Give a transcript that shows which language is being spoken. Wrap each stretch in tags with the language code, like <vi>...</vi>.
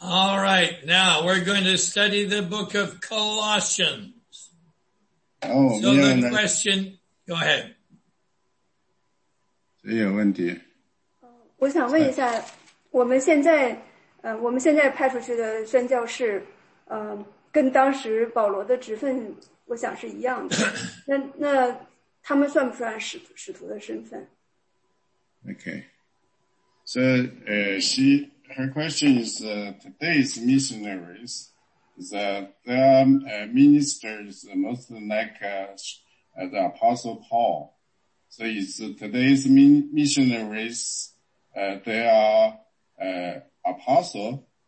<en>All right, now we're going to study the book of Colossians. So the question, go ahead.</en> <zh>谁有问题？我想问一下，我们现在派出去的宣教士，跟当时保罗的职分，我想是一样的。那他们算不算使徒的身份</zh> <en>？Okay. So, her question is today's missionaries. The ministers, most like the Apostle Paul. So it's today's missionaries, they are apostles.</en>